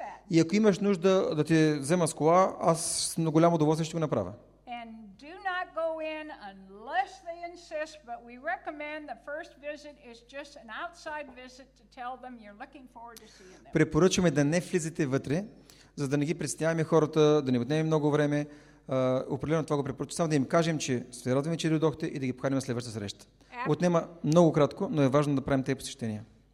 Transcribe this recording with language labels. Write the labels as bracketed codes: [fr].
[bg] И ако имаш нужда да ти взема с кола, аз с много голямо удоволствие ще го направя. [en] And do not go in unless they insist, but we recommend the first visit is just an outside visit to tell them you're looking forward to seeing them. [bg] Препоръчваме да не влизате вътре, за да не ги представяме хората, да не отнеме много време. Определено това го препоръчвам. Само да им кажем, че се радваме, че дойдохте и да ги поканим на следващата среща. Отнема много кратко, но е важно да правим тези посещения.